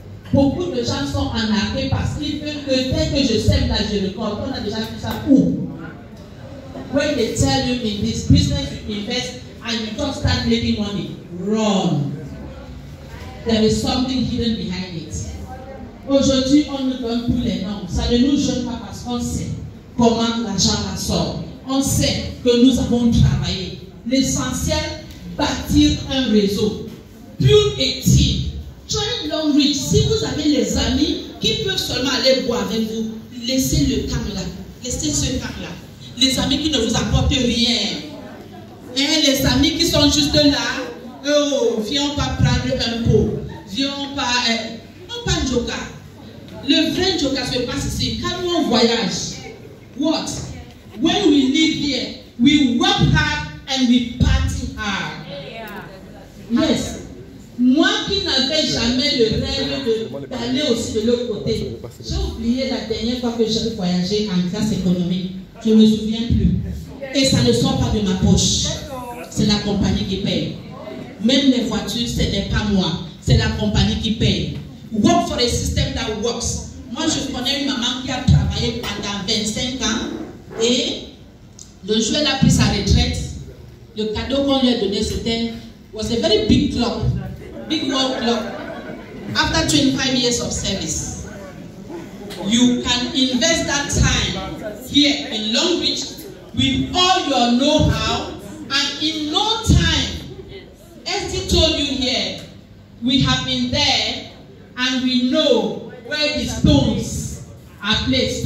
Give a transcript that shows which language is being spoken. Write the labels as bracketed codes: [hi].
[fr] Beaucoup de gens sont en arrêt parce qu'ils veulent que dès que je sème là, je récolte. On a déjà fait ça où? [en] When they tell you in this business, you invest and you don't start making money. Wrong. There is something hidden behind it. [fr] Aujourd'hui, on nous donne tous les noms. Ça ne nous gêne pas parce qu'on sait comment l'argent la sort. On sait que nous avons travaillé. L'essentiel, bâtir un réseau. [en] Pure et team. Join Long Reach. [fr] Si vous avez les amis qui peuvent seulement aller boire avec vous, laissez le temps là. Laissez ce temps là. Les amis qui ne vous apportent rien. Et les amis qui sont juste là, oh, viens pas prendre un pot. Viens pas. Non, pas un joker. Le vrai joker se passe ici. Quand nous on voyage, what? [en] When we live here, we work hard and we party hard. Yes. [fr] Moi qui n'avais jamais le rêve d'aller aussi de l'autre côté, j'ai oublié la dernière fois que j'ai voyagé en classe économique. Je ne me souviens plus. Et ça ne sort pas de ma poche. C'est la compagnie qui paye. Même les voitures, ce n'est pas moi. C'est la compagnie qui paye. [en] Work for a system that works. [fr] Moi, je connais une maman qui a travaillé pendant 25 ans. Et le jour où elle a pris sa retraite, le cadeau qu'on lui a donné, c'était [en] was a very big clock. Big world clock. After 25 years of service, you can invest that time here in Long Beach with all your know-how and in no time. As he told you here, we have been there and we know where the stones are placed.